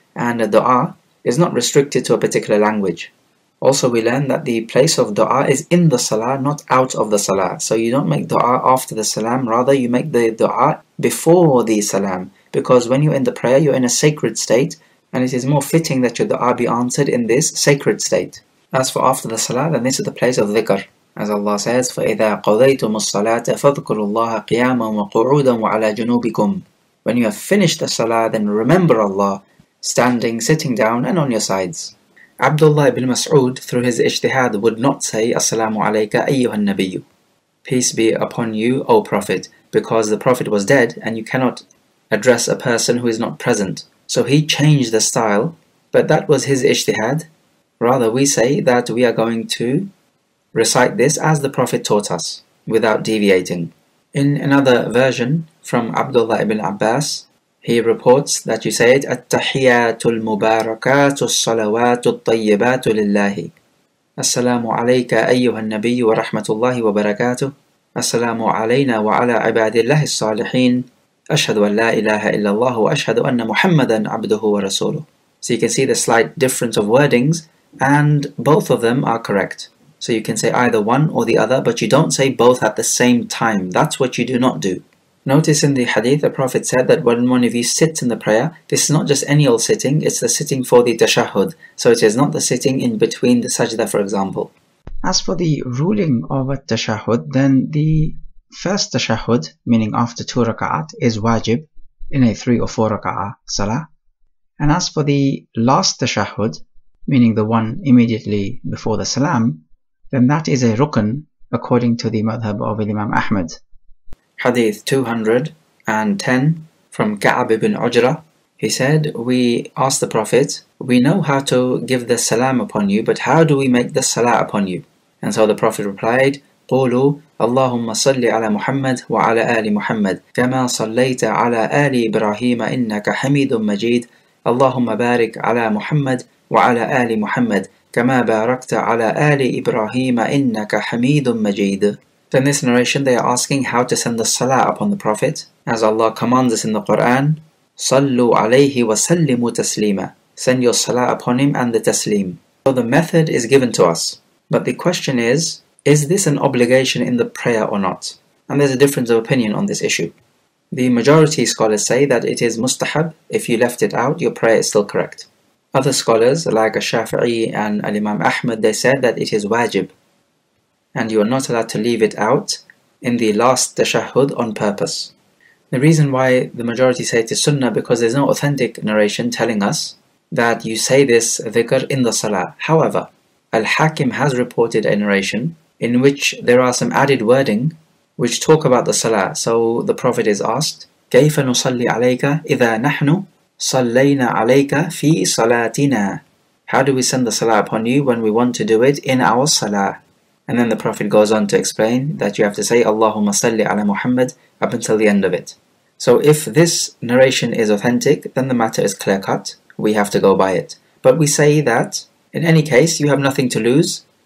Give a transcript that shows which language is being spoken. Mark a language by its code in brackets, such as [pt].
[en] And a dua is not restricted to a particular language. Also, we learn that the place of dua is in the salah, not out of the salah. So you don't make dua after the salam. Rather, you make the dua before the salam. Because when you're in the prayer, you're in a sacred state. And it is more fitting that your dua be answered in this sacred state. As for after the salah, then this is the place of dhikr. As Allah says, [ar] فَإِذَا قَضَيْتُمُ الصَّلَاةَ فَاذْكُرُوا اللَّهَ قِيَامًا وَقُعُودًا وَعَلَى جُنُوبِكُمْ. [en] When you have finished the salah, then remember Allah, standing, sitting down, and on your sides. Abdullah ibn Mas'ud, through his ijtihad, would not say, [ar] أَسَّلَامُ عَلَيْكَ أَيُّهَا النَّبِيُّ. [en] Peace be upon you, O Prophet, because the Prophet was dead, and you cannot address a person who is not present. So he changed the style, but that was his ijtihad. Rather, we say that we are going to recite this as the Prophet taught us, without deviating. In another version from Abdullah ibn Abbas, he reports that you say it, [ar] At-tahiyyatu al-mubarakatu al-salawatu al-tayyibatu lillahi. As-salamu alayka ayyuha al-nabiyyu wa rahmatullahi wa barakatuh. As-salamu alayna wa ala ibadillahi as-salihin. أشهد أن لا إله إلا الله وأشهد أن محمدا عبده ورسوله. [en] So you can see the slight difference of wordings, and both of them are correct. So you can say either one or the other, but you don't say both at the same time. That's what you do not do. Notice in the hadith, the Prophet said that when one of you sits in the prayer, this is not just any old sitting, it's the sitting for the tashahhud. So it is not the sitting in between the sajda, for example. As for the ruling of a tashahhud, then the first tashahhud, meaning after two raka'at, is wajib in a three or four raka'ah salah. And as for the last tashahhud, meaning the one immediately before the salam, then that is a rukn according to the madhab of Imam Ahmad. Hadith 210 from Ka'ab ibn Ujra. He said, we asked the Prophet, we know how to give the salam upon you, but how do we make the salah upon you? And so the Prophet replied, [ar] قولوا اللهم صل على محمد وعلى آل محمد كما صليت على آل إبراهيم إنك حميد مجيد اللهم بارك على محمد وعلى آل محمد كما باركت على آل إبراهيم إنك حميد مجيد. [en] In this narration, they are asking how to send the salah upon the Prophet, as Allah commands us in the Quran, [ar] صلوا عليه وسلموا تسليما. [en] Send your salah upon him and the taslim. So the method is given to us, but the question is, is this an obligation in the prayer or not? And there's a difference of opinion on this issue. The majority scholars say that it is mustahab. If you left it out, your prayer is still correct. Other scholars, like Shafi'i and Imam Ahmad, they said that it is wajib. And you are not allowed to leave it out in the last tashahhud on purpose. The reason why the majority say it is sunnah, because there's no authentic narration telling us that you say this dhikr in the salah. However, Al-Hakim has reported a narration in which there are some added wording which talk about the salah. So the Prophet is asked, [ar] كَيْفَ نُصَلِّ عَلَيْكَ إِذَا نَحْنُ صَلَّيْنَا عَلَيْكَ فِي صَلَاتِنَا. [en] How do we send the salah upon you when we want to do it in our salah? And then the Prophet goes on to explain that you have to say [ar] اللهم صلي على محمد [en] up until the end of it. So if this narration is authentic, then the matter is clear-cut. We have to go by it. But we say that in any case, you have nothing to lose.